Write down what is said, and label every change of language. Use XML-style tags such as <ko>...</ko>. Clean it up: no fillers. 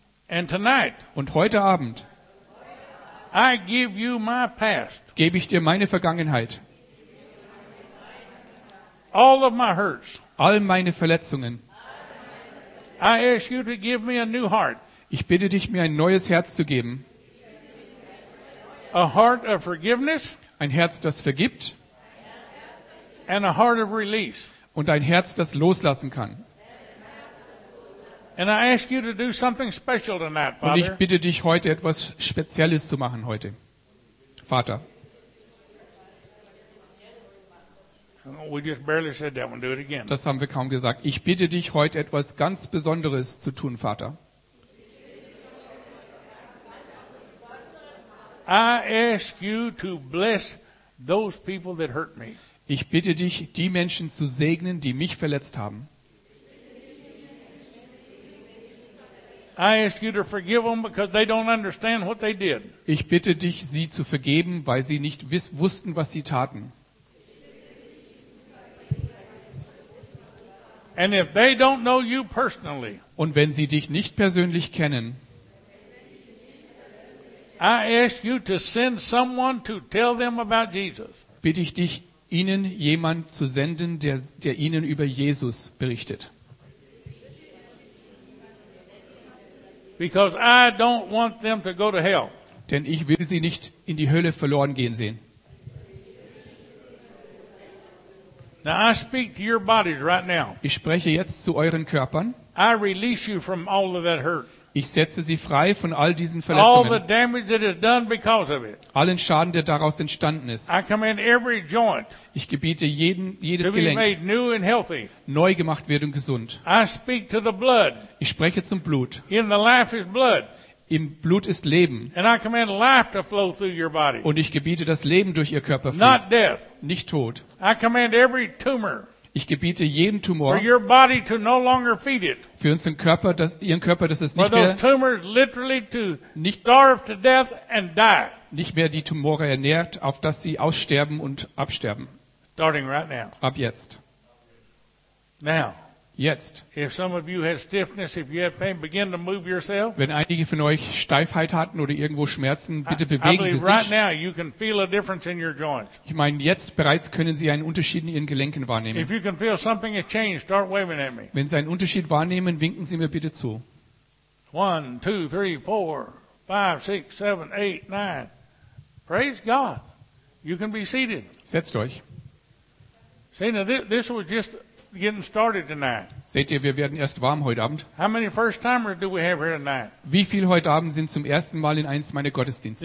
<en>And tonight.</en> <de>Und heute Abend.</de> <en>I give you my past.</en> <de>Gebe ich dir meine Vergangenheit.</de> <en>All of my hurts.</en> <de>All meine Verletzungen.</de> <en>I ask you to give me a new heart.</en> <de>Ich bitte dich, mir ein neues Herz zu geben.</de> <en>A heart of forgiveness.</en> <de>Ein Herz, das vergibt.</de> <en>And a heart of release.</en> <de>Und ein Herz, das loslassen kann.</de> <en>And I ask you to do something special tonight, Father.</en> <de>Und ich bitte dich, heute etwas Spezielles zu machen, heute, Vater.</de> <en>We just barely said that one. Do it again.</en> <de>Das haben wir kaum gesagt. Ich bitte dich, heute etwas ganz Besonderes zu tun, Vater.</de> <en>I ask you to bless those people that hurt me.</en> <de>Ich bitte dich, die Menschen zu segnen, die mich verletzt haben.</de> <en>I ask you to forgive them because they don't understand what they did.</en> <de>Ich bitte dich, sie zu vergeben, weil sie nicht wussten, was sie taten.</de> <en>And if they don't know you personally.</en> <de>Und wenn sie dich nicht persönlich kennen.</de> <en>I ask you to send someone to tell them about Jesus.</en> <de>Bitte ich dich, ihnen jemand zu senden, der ihnen über Jesus berichtet.</de> <en>Because I don't want them to go to hell.</en> <de>Denn ich will sie nicht in die Hölle verloren gehen sehen.</de> <en>Now I speak to your bodies right now.</en> <de>Ich spreche jetzt zu euren Körpern.</de> <en>I release you from all of that hurt.</en> <de>Ich setze sie frei von all diesen Verletzungen.</de> <en>All the damage that is done because of it.</en> <de>Allen Schaden, der daraus entstanden ist.</de> <en>I command every joint.</en> <de>Ich gebiete jedes Gelenk.</de> <en>To be made new and healthy.</en> <de>Neu gemacht wird und gesund.</de> <en>I speak to the blood.</en> <de>Ich spreche zum Blut.</de> <en>In the life is blood.</en> <de>Im Blut ist Leben.</de> <en>And I command life to flow through your body.</en> <de>Und ich gebiete, dass Leben durch ihr Körper fließt.</de> <en>Not death.</en> <de>Nicht Tod.</de> <en>I command every tumor.</en> <de>Ich gebiete jeden Tumor.</de> <en>For your body to no longer feed it.</en> <de>Für unseren Körper, dass ihren Körper, dass es nicht mehr.</de> <en>For those tumors literally to starve to death and die.</en> <de>Nicht mehr die Tumore ernährt, auf dass sie aussterben und absterben.</de> <en>Starting right now.</en> <de>Ab jetzt.</de> <en>Now.</en> <de>Jetzt.</de> <en>If some of you had stiffness, if you had pain, begin to move yourself.</en> <de>Wenn einige von euch Steifheit hatten oder irgendwo Schmerzen, bitte bewegen Sie sich.</de> <en>Right now you can feel a difference in your joints.</en> <de>Ich meine, jetzt bereits können Sie einen Unterschied in Ihren Gelenken wahrnehmen.</de> <en>If you can feel something has changed, start waving at me.</en> <de>Wenn Sie einen Unterschied wahrnehmen, winken Sie mir bitte zu.</de> <en>1, 2, 3, 4, 5, 6, 7, 8, 9. Praise God. You can be seated.</en> <de>Setzt euch.</de> <en>See, now this was just getting started tonight.</en> <de>Seht ihr, wir werden erst warm heute Abend.</de> <en>How many first-timers do we have here tonight?</en> <de>Wie viele heute Abend sind zum ersten Mal in eins meiner Gottesdienste?</de>